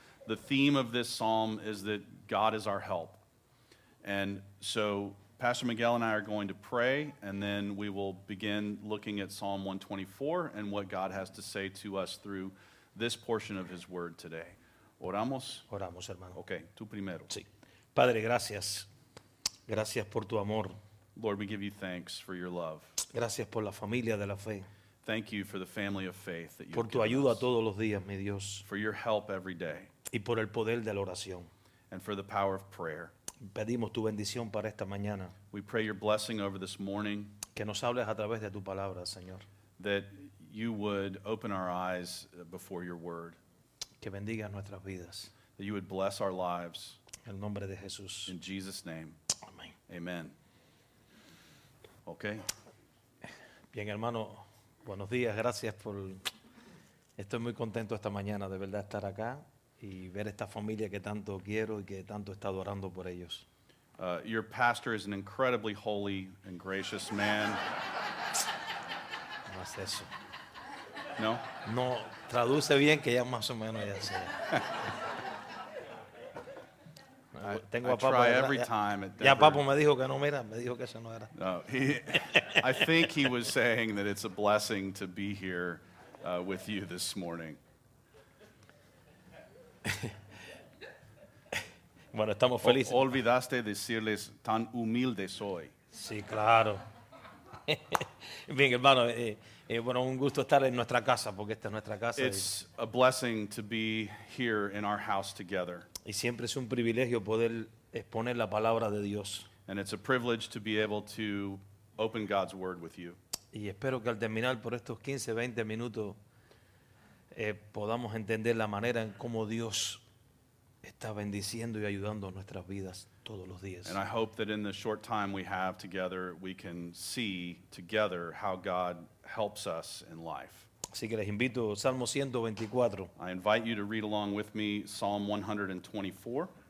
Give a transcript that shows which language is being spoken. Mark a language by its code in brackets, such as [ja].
[en] The theme of this psalm is that God is our help. And so Pastor Miguel and I are going to pray, and then we will begin looking at Psalm 124 and what God has to say to us through this portion of his word today. [es] Oramos? Oramos, hermano. Okay, tú primero. Sí. Padre, gracias. Gracias por tu amor. [en] Lord, we give you thanks for your love. [es] Gracias por la familia de la fe. [en] Thank you for the family of faith that you [es] por tu ayuda todos los días, mi Dios. [en] For your help every day. [es] Y por el poder de la oración. [en] And for the power of prayer. [es] Pedimos tu bendición para esta mañana. [en] We pray your blessing over this morning. [es] Que nos hables a través de tu palabra, Señor. [en] That you would open our eyes before your word. [es] Que bendiga nuestras vidas. [en] That you would bless our lives. [es] En el nombre de Jesús. [en] In Jesus' name. [es] Amén. [en] Amen. Okay. [es] Bien, hermano, buenos días, gracias por... Estoy muy contento esta mañana de verdad estar acá y ver esta familia que tanto quiero y que tanto he estado orando por ellos. [en] Your pastor is an incredibly holy and gracious man. [es] No hace eso. No? No, traduce bien que ya más o menos ya sé. [en] I try every time. [es] Ya Papo me dijo que no, mira, me dijo que eso no era. [en] No, I think he was saying that it's a blessing to be here with you this morning. [es] Bueno, estamos felices. Olvidaste decirles tan humilde soy. Sí, claro. Bien, hermano, bueno, un gusto estar en nuestra casa, porque esta es nuestra casa. [en] It's a blessing to be here in our house together. [es] Y siempre es un privilegio poder exponer la palabra de Dios. [en] And it's a privilege to be able to open God's word with you. [es] Y espero que al terminar por estos 15, 20 minutos, podamos entender la manera en cómo Dios está bendiciendo y ayudando nuestras vidas todos los días. [en] And I hope that in the short time we have together, we can see together how God helps us in life. [es] Así que les invito, Salmo 124. [en] I invite you to read along with me, Psalm 124.